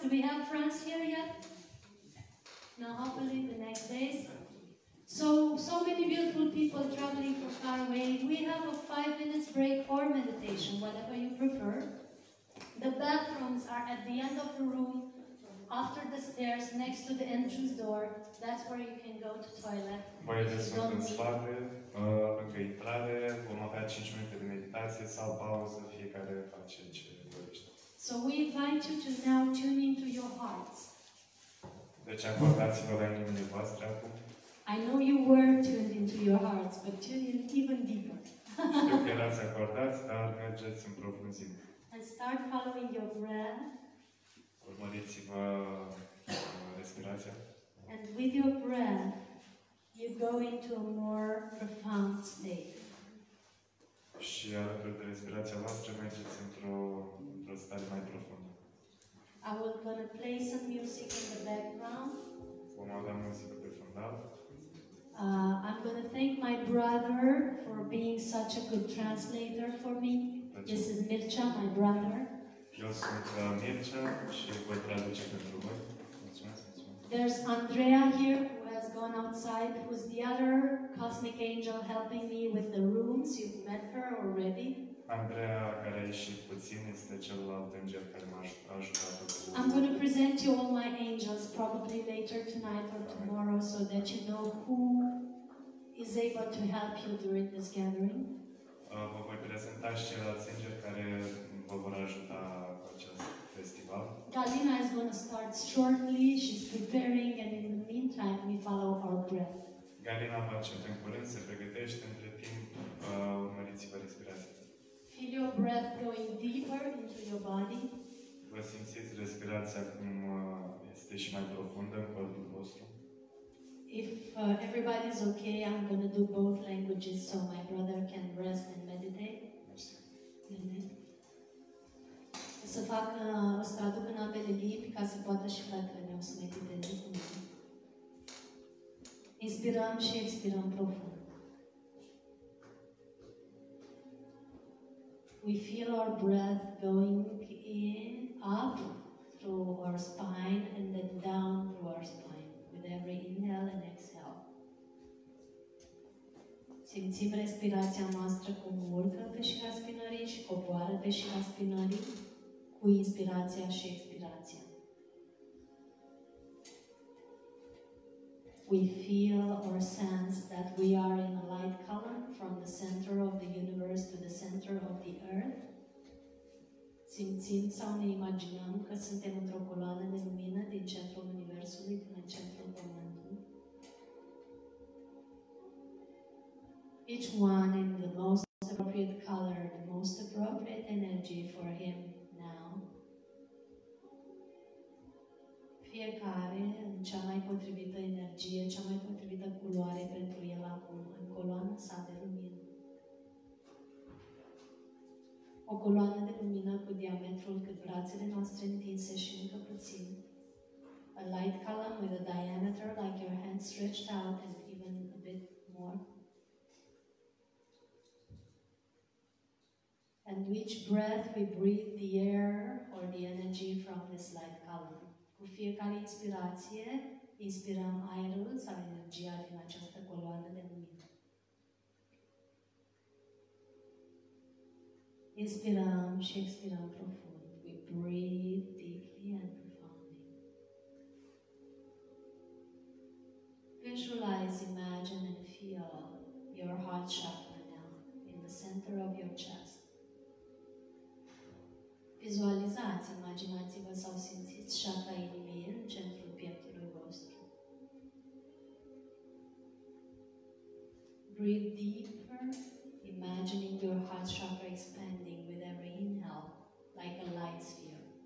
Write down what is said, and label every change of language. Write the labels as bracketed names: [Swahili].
[English] Do we have France here yet? No, hopefully the next days. So many beautiful people traveling from far away. We have a 5 minutes break or meditation, whatever you prefer. The bathrooms are at the end of the room, after the stairs, next to the entrance door. That's where you can go to toilet. [Romanian] Voi să sunt în spate, pentru intrare, vom avea 5 minute de meditație sau pauză, fiecare face ce dorește. [English] So we invite you to now tune into your hearts. [Romanian] Deci acordați-vă la inimile voastre acum. [English] I know you were tuned into your hearts, but tune in even deeper. [Romanian] Știu că erați acordați, dar mergeți în profunzime. [English] And start following your breath. [Romanian] Urmăriți-vă respirația. [English] And with your breath, you go into a more profound state. [Romanian] Și alături de respirația voastră mergeți într-o stare mai profundă. [English] I will gonna play some music in the background. [Romanian] Vom avea muzică pe fundal. [English] I'm gonna thank my brother for being such a good translator for me. This is Mircea, my brother. [Romanian] Eu sunt Mircea și voi traduce pentru voi. [English] There's Andrea here who has gone outside, who's the other cosmic angel helping me with the rooms. You've met her already. [Romanian] Andrea care a ieșit puțin este celălalt înger care m-a ajutat. [English] I'm going to present you all my angels probably later tonight or tomorrow so that you know who is able to help you during this gathering. [Romanian] Vă voi prezenta și celălalt înger care vă vor ajuta cu acest festival. [English] Galina is going to start shortly. She's preparing and in the meantime we follow our breath. [Romanian] Galina va începe în curând, se pregătește, între timp urmăriți-vă respirația. [English] Feel your breath going deeper into your body. [Romanian] Vă simțiți respirația cum este și mai profundă în corpul vostru. [English] If everybody's okay, I'm going to do both languages so my brother can rest and meditate. Mm-hmm. [Romanian] O să fac o să traduc în ambele limbi ca să poată și fratele meu să mediteze cu mine. Inspirăm și expirăm profund. [English] We feel our breath going in up through our spine and then down through our spine with every inhale and exhale. [Romanian] Simțim respirația noastră cum urcă pe șira spinării și coboară pe șira spinării cu inspirația și expirația. [English] We feel or sense that we are in a light column from the center of the universe to the center of the earth. [Romanian] Simțim sau ne imaginăm că suntem într-o coloană de lumină din centrul universului până în centrul pământului. [English] Each one in the most appropriate color, the most appropriate energy for him now. [Romanian] Fiecare în cea mai potrivită energie, cea mai potrivită culoare pentru el acum, în coloana sa de lumină. O coloană de lumină cu diametrul cât brațele noastre întinse și încă puțin. [English] A light column with a diameter like your hand stretched out and even a bit more. And each breath we breathe the air or the energy from this light column. [Romanian] Cu fiecare inspirație, inspirăm aerul sau energia din această coloană de lumină. Inspirăm și expirăm profund. [English] We breathe deeply and profoundly. Visualize, imagine and feel your heart chakra now in the center of your chest. [Romanian] Vizualizați, imaginați-vă sau simțiți chakra inimii în centrul pieptului vostru. [English] Breathe deeper, imagining your heart chakra expanding with every inhale, like a light sphere.